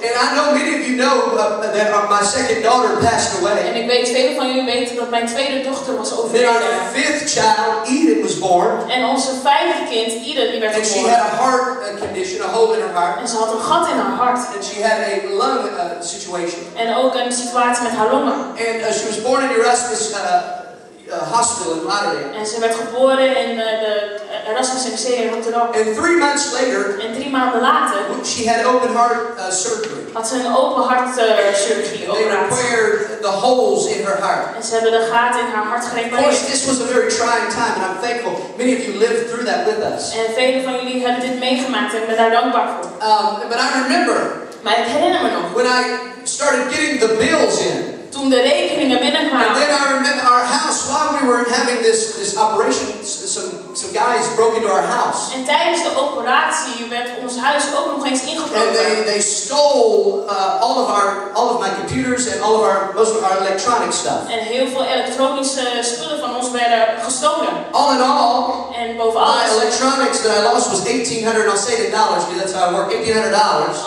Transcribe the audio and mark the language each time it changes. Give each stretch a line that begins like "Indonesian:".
English: And I know many of you know that my second daughter passed away.
Dutch: En ik weet velen van jullie weten dat mijn tweede dochter was overleden.
English: Then our fifth child, Eden, was born.
Dutch: En onze vijfde kind, Eden, die werd geboren.
English: And she had a heart condition, a hole in her heart.
Dutch: En ze had een gat in haar hart.
English: And she had a lung situation.
Dutch: En ook een situatie met haar longen.
English: And she was born in Erasmus. Hospital in Rotterdam.
Dutch: En ze werd geboren in de Erasmus MC in Rotterdam.
English: And 3 months later.
Dutch: En 3 maanden later.
English: She had open heart surgery.
Dutch: Had ze een open hart surgery.
English: And they repaired the holes in her heart.
Dutch: En ze hebben de gaten in haar hart gerepareerd.
English: Of course, this was a very trying time, and I'm thankful many of you lived through that with us.
Dutch: En velen van jullie hebben dit meegemaakt en ben daar dankbaar voor.
English: But I remember.
Dutch: Maar ik herinner me nog.
English: When I started getting the bills in.
Dutch: Toen de rekeningen binnenkwamen.
English: And then our house, while we were having this operation, some guys broke into our house.
Dutch: En tijdens de operatie werd ons huis ook nog eens ingebroken.
English: And they stole all of my computers and most of our electronic stuff.
Dutch: En heel veel elektronische spullen van ons werden gestolen.
English: All in all,
Dutch: en boven alles,
English: my electronics that I lost was $1,800. I'll say the dollars, because that's how I work.
Dutch: $1,800.